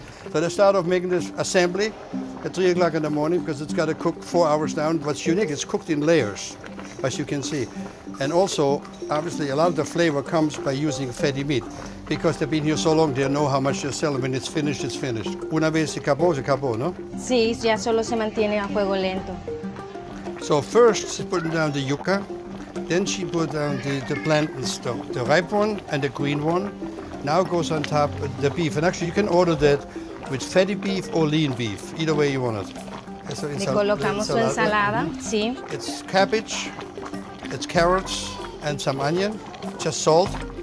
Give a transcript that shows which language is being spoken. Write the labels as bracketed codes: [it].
[en] So let's start off making this assembly at 3 o'clock in the morning, because it's got to cook 4 hours down. What's unique, it's cooked in layers, as you can see. And also, obviously, a lot of the flavor comes by using fatty meat, because they've been here so long, they know how much you sell. When it's finished, it's finished. [es] Una vez se acabó, no? Sí, ya solo se mantiene a fuego lento. [en] So first she's putting down the yuca, then she put down the plantains, the ripe one and the green one. Now goes on top the beef. And actually you can order that with fatty beef or lean beef, either way you want it. It's cabbage, it's carrots, and some onion, just salt.